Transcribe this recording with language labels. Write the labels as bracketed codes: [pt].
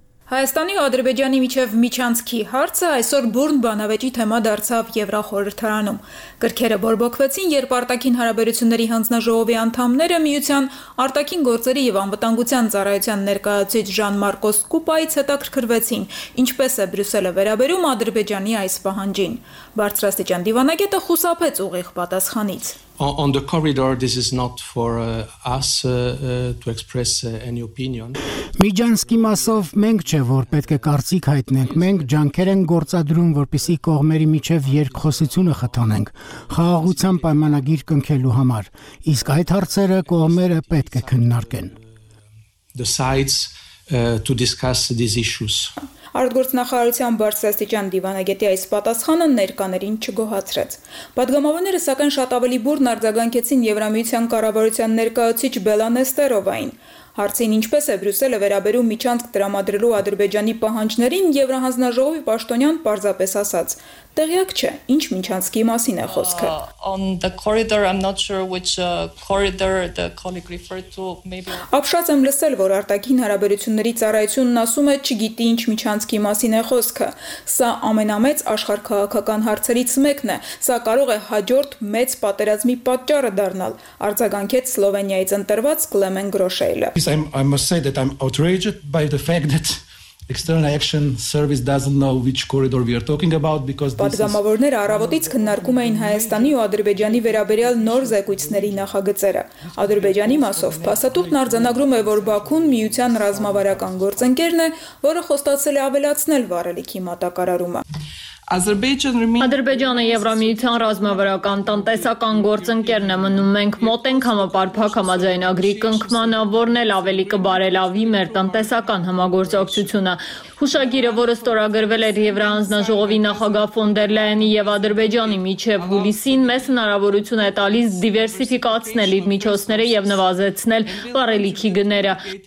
[hy] Հայաստանի ու Ադրբեջանի միջև միջանցքի հարցը այսօր բուրն բանավեճի թեմա դարձավ Եվրախորհրդարանում։ Կրքերը բորբոքվեցին, երբ արտաքին հարաբերությունների հանձնաժողովի անդամները միության արտաքին գործերի և անվտանգության ծառայության ներկայացուցիչ Ժան Մարկոս Կուպայից հետաքրքրվեցին, ինչպես է Բրյուսելը վերաբերում Ադրբեջանի այս պահանջին։ Բարձրաստիճան դիվանագետը խուսափեց ուղիղ պատասխանից։ [en] On the corridor, this is not for us to express any opinion. [hy] Միջանցքի մասով մենք չէ, որ պետք է կարծիք հայտնենք, մենք ջանքեր ենք գործադրում, որպեսի կողմերի միջև երկխոսությունը խթանենք, խաղաղության պայմանագիր կնքելու համար, իսկ այդ հարցերը կողմերը պետք է քննարկեն. [en] The sides to discuss these issues. [hy] Արտգործնախարարության բարձրաստիճան դիվանագետի այս պատասխանը ներկաներին չգոհացրեց։ Պատգամավորները, սակայն, շատ ավելի բուրն արձագանքեցին Եվրամիության կառավարության ներկայացուցիչ Բելա Նեստերովային։ Հարցին, ինչպես է Բրյուսելը վերաբերում միջանցք տրամադրելու Ադրբեջանի պահանջներին, Եվրահանձնաժողովի պաշտոնյան պարզապես ասաց. տեղյակ չէ, ինչ միջանցքի մասին է խոսքը։ Ապշած եմ լսել, որ արտաքին հարաբերությունների ծառայությունն ասում է, չգիտի ինչ միջանցքի մասին է խոսքը։ Սա ամենամեծ աշխարհքաղաքական հարցերից մեկն է, սա կարող է հաջորդ մեծ պատերազմի պատճառը դառնալ, արձագանքեց Սլովենիայից ընտրված Կլեմեն Գրոշեյլը։ [en] External Action Service doesn't know which corridor we are talking about because this [hy] Պատգամավորները առավոտից քննարկում էին Հայաստանի ու Ադրբեջանի վերաբերյալ նոր զեկույցների նախագծերը։ Ադրբեջանի մասով փաստաթուղթն արձանագրում է, որ Բաքուն միության ռազմավարական գործընկերն է, որը խոստացել է ավելացնել վառելիքի մատակարարումը։ Ադրբեջանը Եվրամիության ռազմավարական տնտեսական գործընկերն է մնում, մենք մոտ ենք համապարփակ համաձայնագրի կնքմանը, որն էլ ավելի կբարելավի մեր տնտեսական համագործակցությունը։ Հուշագիրը, որը ստորագրվել էր Եվրահանձնաժողովի նախագահ ֆոն դեր Լայենի և Ադրբեջանի միջև հուլիսին, մեզ հնարավորություն է տալիս դիվերսիֆիկացնել իր միջոցները և նվազեցնել բարելիքի գները։